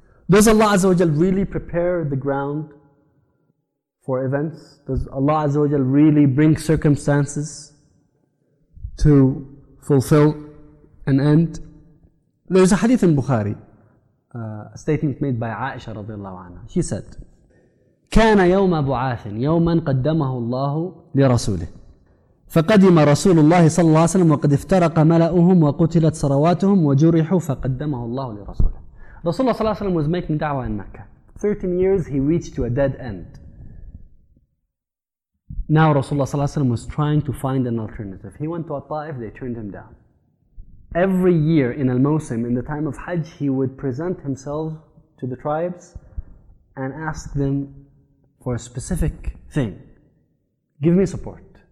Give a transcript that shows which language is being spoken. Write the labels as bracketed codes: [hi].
[en] Does Allah Azza wa Jal really prepare the ground for events? Does Allah Azza wa Jal really bring circumstances to fulfill an end? There's a hadith in Bukhari, a statement made by Aisha radiallahu anha. She said, [ar] كان يوم بعاث يوما قدمه الله لرسوله فقدم رسول الله صلى الله عليه وسلم وقد افترق ملأهم وقتلت صرواتهم وجرحوا فقدمه الله لرسوله. [en] Rasulullah [ar] صلى الله عليه وسلم [en] was making da'wah in Mecca. 13 years he reached to a dead end. Now Rasulullah [ar] صلى الله عليه وسلم [en] was trying to find an alternative. He went to At-Ta'if, they turned him down. Every year in Al-Mawsim, in the time of Hajj, he would present himself to the tribes and ask them for a specific thing. Give me support.